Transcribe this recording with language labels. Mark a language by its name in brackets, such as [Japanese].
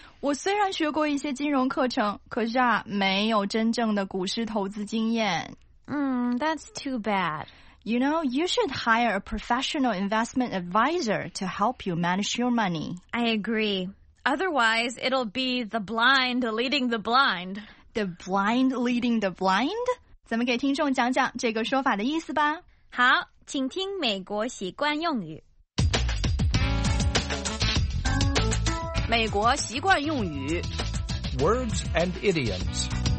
[Chinese] 我虽然学过一些金融课程，可是啊，没有真正的股市投资经验。 [English] That's too bad. You know, you should hire a professional investment advisor to help you manage your money. I agree. Otherwise, it'll be the blind leading the blind. The blind leading the blind? [Chinese] 咱们给听众讲讲这个说法的意思吧。好，请听美国习惯用语。美国习惯用语。 [English] Words and idioms.